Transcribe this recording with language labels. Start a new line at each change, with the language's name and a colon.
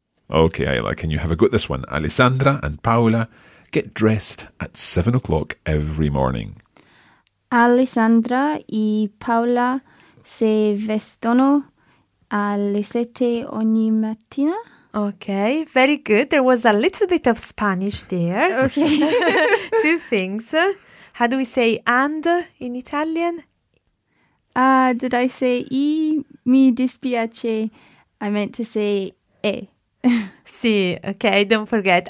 English: Okay, Ayla, can you have a go at this one? Alessandra and Paola get dressed at 7 o'clock every morning.
Italian: Alessandra y Paola se vestono alle sette ogni mattina.
English: Okay, very good. There was a little bit of Spanish there. Okay. Two things. How do we say and in Italian? Did I say I
Italian: mi dispiace?
English: I meant to say e. Sì, okay, don't forget.